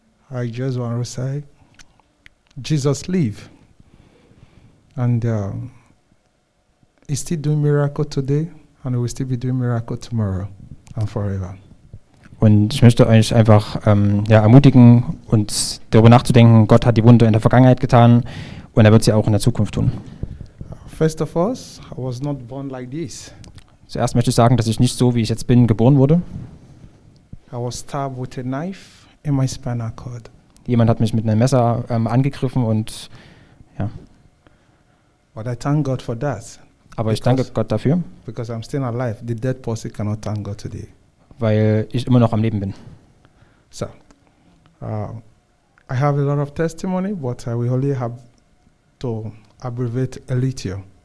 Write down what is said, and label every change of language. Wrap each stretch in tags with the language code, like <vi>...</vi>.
<en>I just want to say, Jesus lives, and he's still doing miracle today, and he will still be doing miracle tomorrow and forever.</en> <de>Und ich möchte euch einfach ermutigen, uns darüber nachzudenken. Gott hat die Wunder in der Vergangenheit getan, und er wird sie auch in der Zukunft tun.</de> <en>First of all, I was not born like this.</en> <de>Zuerst möchte ich sagen, dass ich nicht so, wie ich jetzt bin, geboren wurde.</de> <en>I was stabbed with a knife in my spinal cord.</en> <de>Jemand hat mich mit einem Messer angegriffen und ja.</de> <en>But I thank God for that.</en> <de>Aber ich danke Gott dafür.</de> <en>Because I'm still alive. The dead person cannot thank God today.</en> <de>Weil ich immer noch am Leben bin.</de> <en>So, I have a lot of testimony, but I will only have to abbreviate a little.</en>